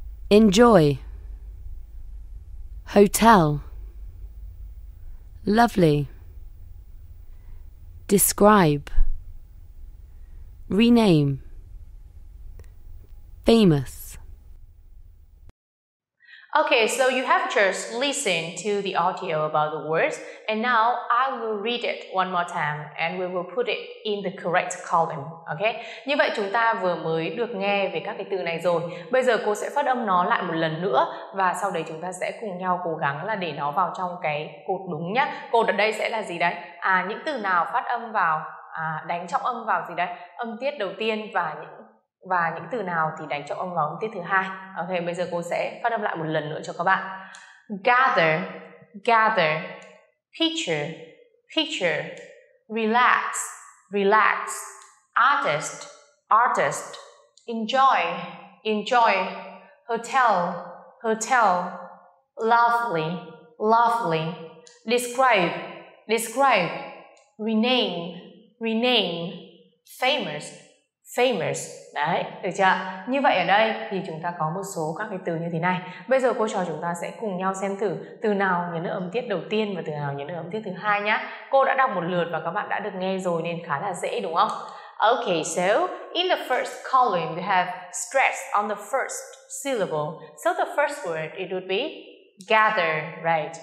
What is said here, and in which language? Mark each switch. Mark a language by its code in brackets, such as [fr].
[en] Enjoy. Hotel. lovely. Describe. Rename. Famous. Okay, so you have just listened to the audio about the words, and now I will read it one more time, and we will put it in the correct column, okay? [vi] Như vậy chúng ta vừa mới được nghe về các cái từ này rồi. Bây giờ cô sẽ phát âm nó lại một lần nữa, và sau đấy chúng ta sẽ cùng nhau cố gắng là để nó vào trong cái cột đúng nhá. Cột ở đây sẽ là gì đấy? À, những từ nào phát âm vào, đánh trọng âm vào gì đấy? Âm tiết đầu tiên và những từ nào thì đánh trọng âm vào âm tiết thứ hai. Ok, bây giờ cô sẽ phát âm lại một lần nữa cho các bạn. [en] Gather, gather. Picture, picture. Relax, relax. Artist, artist. Enjoy, enjoy. Hotel, hotel. Lovely, lovely. Describe, describe. Rename, rename. Famous, famous. [vi] Đấy, được chưa? Như vậy ở đây thì chúng ta có một số các cái từ như thế này. Bây giờ cô trò chúng ta sẽ cùng nhau xem thử từ nào nhấn âm tiết đầu tiên và từ nào nhấn âm tiết thứ hai nhá. Cô đã đọc một lượt và các bạn đã được nghe rồi nên khá là dễ đúng không? [en] Okay, so in the first column you have stress on the first syllable. So the first word it would be gather, right?